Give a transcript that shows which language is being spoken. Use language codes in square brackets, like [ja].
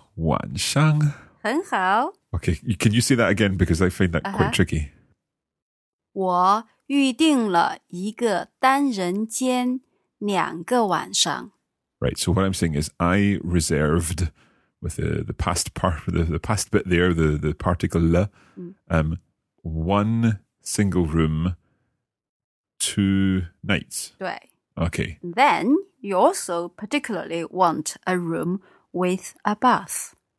[zh] 一个单人间两个晚上。很好。 [en] Okay, can you say that again? Because I find that quite tricky. [zh] 我预定了一个单人间两个晚上。 [en] Right, so what I'm saying is I reserved with the past part, the past bit there, the particle le, one single room, two nights. [zh] 对. [en] Okay. Then you also particularly want a room with a bath.